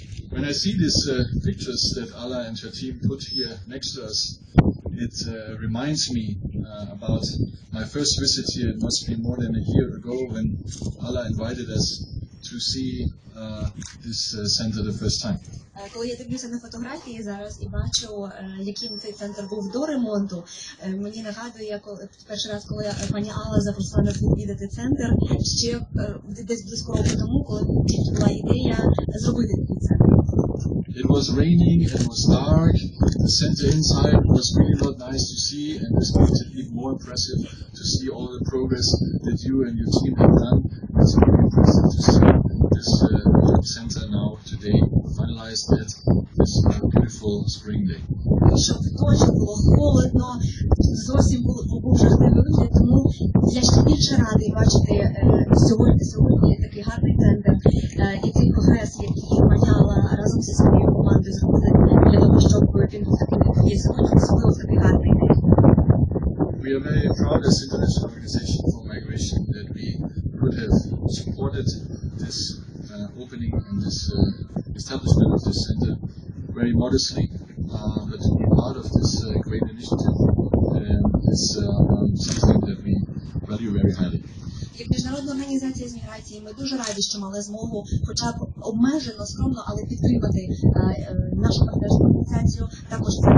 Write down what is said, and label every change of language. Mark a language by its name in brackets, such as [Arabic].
[English] When I see these pictures that Alla and her team put here next to us, it reminds me about my first visit here. It must be more than a year ago when Alla invited us to see this center the first time. [Ukrainian] Коли я дивлюся на фотографії зараз і бачу, яким цей центр був до ремонту, мені нагадує, як перший раз, коли пані Алла запросила нас відвідати центр, ще десь близько року тому, коли була ідея зробити цей центр. [English] It was raining, it was dark, the center inside was really not nice to see, and this makes it even more impressive to see all the progress that you and your team have done. It's very impressive to see this center now today finalized at this beautiful spring day. We are very proud as an international organization for migration that we could have supported this opening and this establishment of this center very modestly, but to be part of this great initiative is something that we value very highly. [Ukrainian] Як міжнародна організація з міграції, ми дуже раді, що мали змогу, хоча б обмежено, скромно, але підтримати нашу партнерську організацію також.